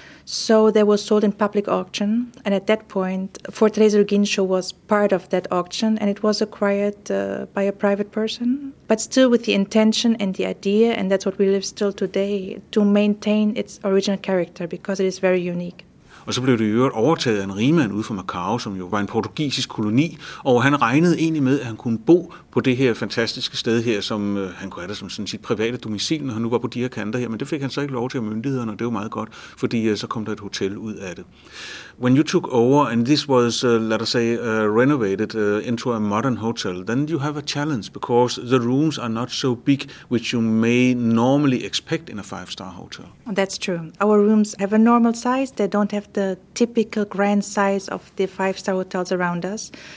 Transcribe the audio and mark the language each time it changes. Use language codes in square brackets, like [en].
[en] So they were sold in public auction, and at that point, Fortaleza do Guincho was part of that auction, and it was acquired by a private person, but still with the intention and the idea, and that's what we live still today, to maintain its original character, because it is very unique. [da] Og så blev det i øvrigt overtaget af en rigmand ude fra Macau, som jo var en portugisisk koloni. Og han regnede egentlig med, at han kunne bo på det her fantastiske sted her, som han kunne have det som sådan sit private domicil, når han nu var på de her kanter her. Men det fik han så ikke lov til af myndighederne, og det var meget godt, fordi så kom der et hotel ud af det. [en] When you took over, and this was, renovated into a modern hotel, then you have a challenge, because the rooms are not so big, which you may normally expect in a five-star hotel. That's true. Our rooms have a normal size. They don't have the typical grand size of the five-star hotels around us.